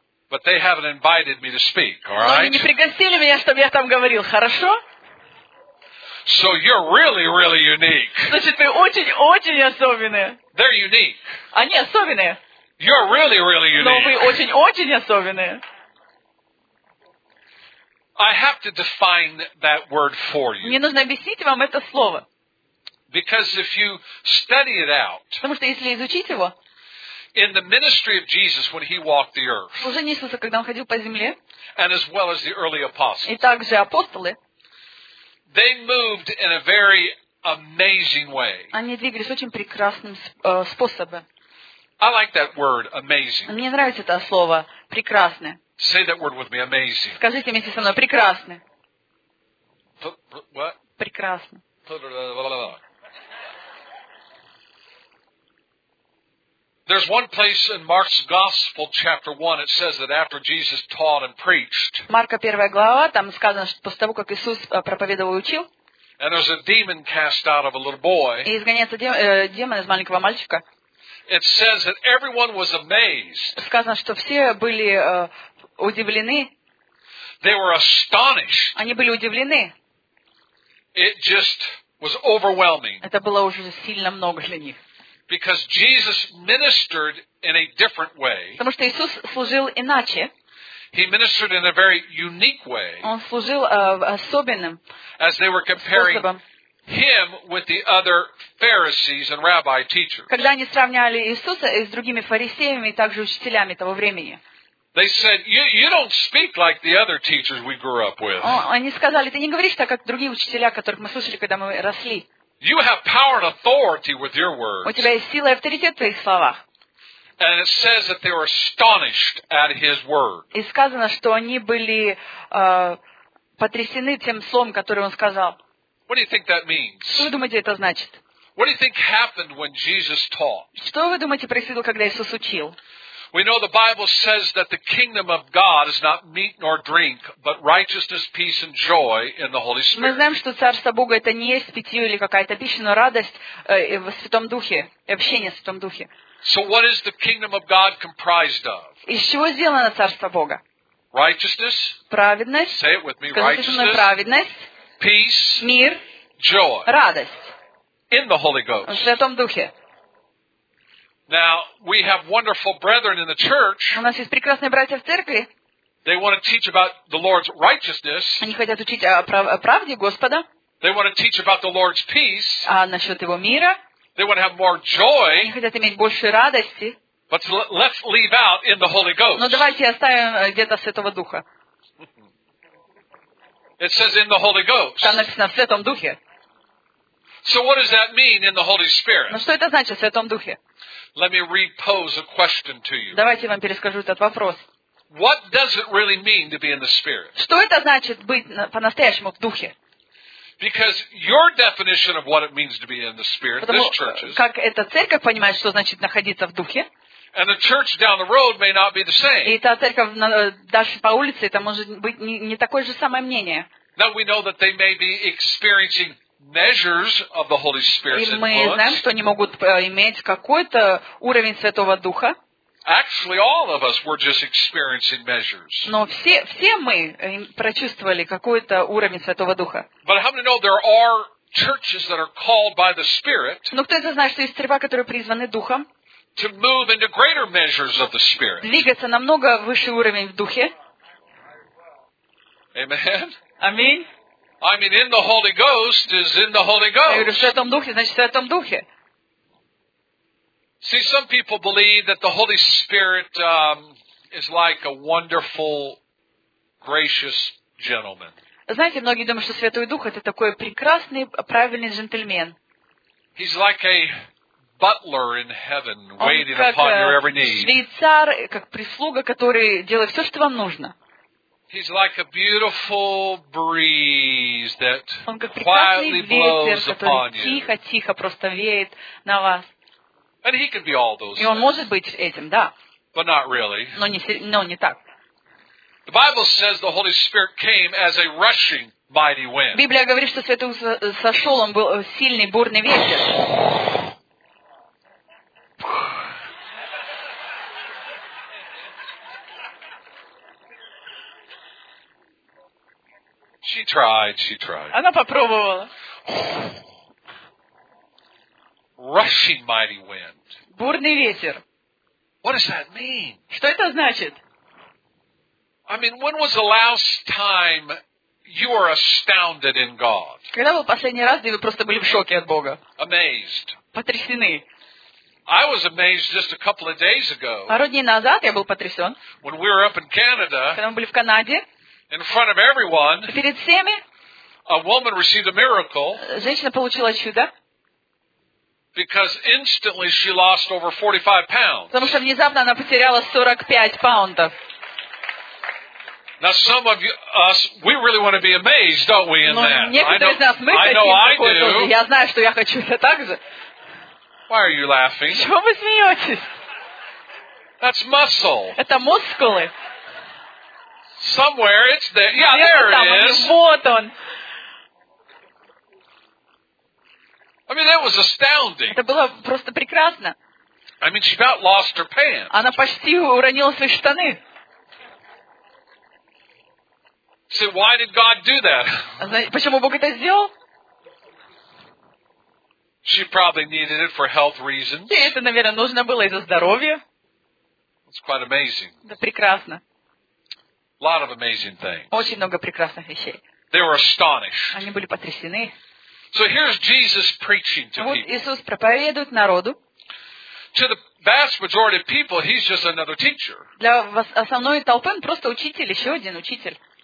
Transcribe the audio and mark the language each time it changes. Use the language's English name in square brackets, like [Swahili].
[English] But they haven't invited me to speak, all right? [Russian] Но они не пригласили меня, чтобы я там говорил, хорошо? [English] So you're really, really unique. [Russian] Значит, вы очень-очень особенные. [English] They're unique. [Russian] Они особенные. [English] You're really, really unique. [Russian] Но вы очень-очень особенные. [English] I have to define that word for you. [Russian] Мне нужно объяснить вам это слово. [English] Because if you study it out, [Russian] потому что если изучить его, [English] in the ministry of Jesus when he walked the earth, [Russian] служение Иисуса, когда он ходил по земле, [English] and as well as the early apostles, [Russian] и также апостолы, [English] they moved in a very amazing way. [Russian] Они двигались очень прекрасным способом. [English] I like that word, amazing. [Russian] Мне нравится это слово, прекрасное. [English] Say that word with me, amazing. [Russian] Скажите вместе со мной, прекрасное. [English] What? [Russian] Прекрасно. [English] There's one place in Mark's Gospel, chapter 1, it says that after Jesus taught and preached, [Russian] Марка 1 глава, там сказано, что после того, как Иисус проповедовал и учил, [English] and there's a demon cast out of a little boy, [Russian] и изгоняется демон из маленького мальчика, [English] it says that everyone was amazed. [Russian] Сказано, что все были удивлены. [English] They were astonished. [Russian] Они были удивлены. [English] It just was overwhelming. [Russian] Это было уже сильно много для них. [English] Because Jesus ministered in a different way. [Russian] Потому что Иисус служил иначе. [English] He ministered in a very unique way. [Russian] Он служил особенным способом. [English] As they were comparing him with the other Pharisees and rabbi teachers. [Russian] Когда они сравнивали Иисуса с другими фарисеями и также учителями того времени. [English] They said, "You don't speak like the other teachers we grew up with." [Russian] Они сказали, ты не говоришь так, как другие учителя, которых мы слушали, когда мы росли. [English] You have power and authority with your words. [Russian] У тебя есть сила и авторитет в твоих словах. [English] And it says that they were astonished at his word. [Russian] И сказано, что они были потрясены тем словом, которое он сказал. [English] What do you think that means? [Russian] Что вы думаете, это значит? [English] What do you think happened when Jesus taught? [Russian] Что вы думаете происходило, когда Иисус учил? [English] We know the Bible says that the kingdom of God is not meat nor drink, but righteousness, peace, and joy in the Holy Spirit. [Russian] Мы знаем, что царство Бога это не есть питье или какая-то пища, но радость в Святом Духе, общение в Святом Духе. [English] So what is the kingdom of God comprised of? [Russian] Из чего сделано царство Бога? [English] Righteousness. [Russian] Праведность. [English] Say it with me. Righteousness. [Russian] Праведность. [English] Peace. [Russian] Мир. [English] Joy. [Russian] Радость. [English] In the Holy Ghost. [Russian] В Святом Духе. [English] Now we have wonderful brethren in the church. [Russian] У нас есть прекрасные братья в церкви. [English] They want to teach about the Lord's righteousness. [Russian] Они хотят учить о правде Господа. [English] They want to teach about the Lord's peace. [Russian] А насчет его мира. [English] They want to have more joy. [Russian] Они хотят иметь больше радости. [English] But let's leave out in the Holy Ghost. [Russian] Но давайте оставим где-то Святого Духа. [English] It says in the Holy Ghost. [Russian] Там написано в Святом Духе. [English] So what does that mean in the Holy Spirit? [Russian] Ну что это значит в Святом Духе? [English] Let me repose a question to you. [Russian] Давайте вам перескажу этот вопрос. [English] What does it really mean to be in the Spirit? [Russian] Что это значит быть по-настоящему в духе? [English] Because your definition of what it means to be in the Spirit, [Russian] потому, [English] this church is. [Russian] Как эта церковь понимает, что значит находиться в духе? [English] And the church down the road may not be the same. [Russian] И та церковь дальше по улице, это может быть не такое же самое мнение. [English] Now we know that they may be experiencing measures of the Holy Spirit's influence. [Russian] И мы знаем, что они могут иметь какой-то уровень Святого Духа. [English] Actually, all of us were just experiencing measures. [Russian] Но все мы прочувствовали какой-то уровень Святого Духа. [English] But how many know there are churches that are called by the Spirit? [Russian] Но кто это знает, что есть церкви, которые призваны Духом? [English] To move into greater measures of the Spirit. [Russian] Двигаться намного выше уровень в Духе. [English] Amen. [Russian] Аминь. [English] I mean, in the Holy Ghost is in the Holy Ghost. [Russian] Я говорю, в Святом Духе, значит, в Святом Духе. [English] See, some people believe that the Holy Spirit is like a wonderful, gracious gentleman. [Russian] Знаете, многие думают, что Святой Дух это такой прекрасный, правильный джентльмен. [English] He's like a butler in heaven, waiting upon your every need. [Russian] Он как швейцар, как прислуга, который делает все, что вам нужно. [English] He's like a beautiful breeze that quietly blows upon you. [Russian] Тихо-тихо просто веет на вас. [English] And he could be all those [Russian] things. И он может быть этим, да. [English] But not really. [Russian] Но не так. [English] The Bible says the Holy Spirit came as a rushing mighty wind. [Russian] Библия говорит, что Святой Дух сошел, он был сильный бурный ветер. [English] She tried. [Russian] Она попробовала. [English] Rushing mighty wind. [Russian] Бурный ветер. [English] What does that mean? [Russian] Что это значит? [English] I mean, when was the last time you were astounded in God? [Russian] Когда был последний раз, где вы просто были в шоке от Бога? [English] Amazed. [Russian] Потрясены. [English] I was amazed just a couple of days ago. [Russian] Пару дней назад я был потрясен. [English] When we were up in Canada. [Russian] Когда мы были в Канаде. [English] In front of everyone. [Russian] Перед всеми. [English] A woman received a miracle. [Russian] Женщина получила чудо. [English] Because instantly she lost over 45 pounds. [Russian] Потому что внезапно она потеряла 45 паунтов. [English] Now some of you, us, we really want to be amazed, don't we, in [Russian] Но [English] that? [Russian] Некоторые из нас, мы хотим такое тоже. Я знаю, что я хочу это так же. [English] Why are you laughing? [Russian] Чего вы смеетесь? [English] That's muscle. [Russian] Это мускулы. [English] Somewhere it's there. Yeah, there [Russian] там, [English] it is. [Russian] Вот он. [English] I mean, that was astounding. [Russian] Это было просто прекрасно. [English] I mean, she about lost her pants. [Russian] Она почти уронила свои штаны. [English] So why did God do that? [Russian] Почему Бог это сделал? [English] She probably needed it for health reasons. [Russian] Ей это, наверное, нужно было из-за здоровья. [English] It's quite amazing. [Russian] Это прекрасно. [English] A lot of amazing things. [Russian] Очень много прекрасных вещей. [English] They were astonished. [Russian] Они были потрясены. [English] So here's Jesus preaching to people. [Russian] Вот Иисус проповедует народу. [English] To the vast majority of people, he's just another teacher. [Russian] Для основной толпы он просто учитель, еще один учитель.